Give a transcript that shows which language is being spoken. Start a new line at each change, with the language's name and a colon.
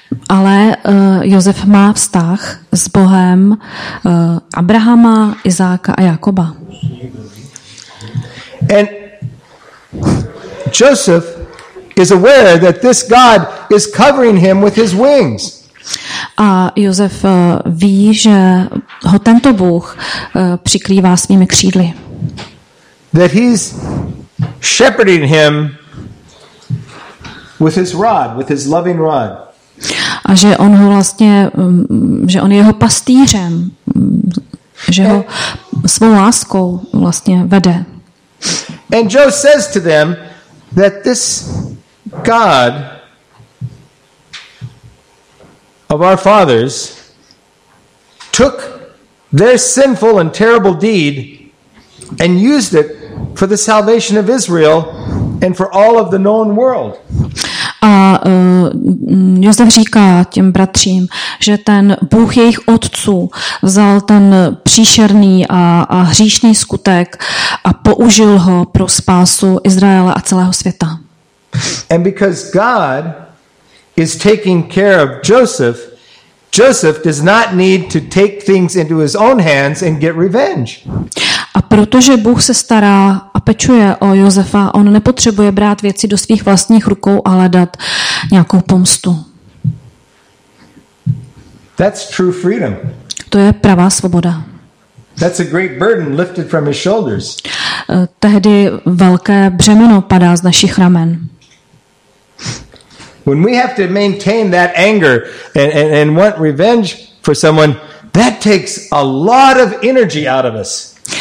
Czech: Ale Josef má vztah s Bohem Abrahama, Izáka a Jakoba.
English: And Joseph is aware that this God is covering him with his wings.
Czech: A Josef ví, že ho tento Bůh přikrývá svými křídly.
English: That he's shepherding him with his rod, with his loving rod.
Czech: A že on ho vlastně, že on je jeho pastýřem, že ho svou láskou vlastně vede.
English: And Job says to them that this God of our fathers took their sinful and terrible deed and used it for the salvation of Israel and for all of the known world.
Czech: A Josef říká těm bratřím, že ten Bůh jejich otců vzal ten příšerný a hříšný skutek a použil ho pro spásu Izraele a celého světa.
English: And because God is taking care of Joseph, Joseph does not need to take things into his own hands and get revenge.
Czech: A protože Bůh se stará a pečuje o Josefa, on nepotřebuje brát věci do svých vlastních rukou a hledat nějakou pomstu.
English: That's true freedom.
Czech: To je pravá svoboda.
English: That's a great burden lifted from his shoulders.
Czech: Tehdy velké břemeno padá z našich ramen.
English: When we have to maintain that anger and want revenge for someone, that takes a lot of energy out of us.